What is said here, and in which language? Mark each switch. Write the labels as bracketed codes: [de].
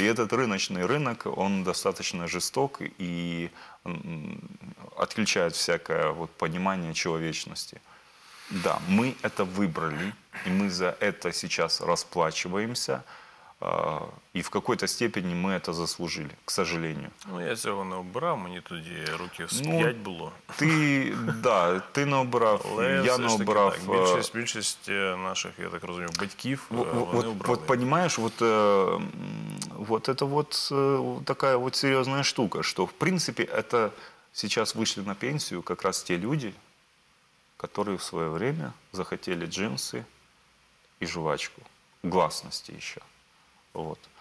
[ru] И этот рыночный рынок, он достаточно жесток и отключает всякое вот понимание человечности. Да, мы это выбрали, и мы за это сейчас расплачиваемся, и в какой-то степени мы это заслужили, к сожалению. Ну, я этого не обирал, мне тогда руки сп'ять было. Ты, да, ты не обирал, я не обирал. [uk] Більшість наших, я так розумію, батьків, [ru] вот, [uk] вони обрали. [ru] Вот понимаешь, вот, вот это вот такая вот серьезная штука, что в принципе это сейчас вышли на пенсию как раз те люди, которые в свое время захотели джинсы и жвачку, гласности еще. Вот.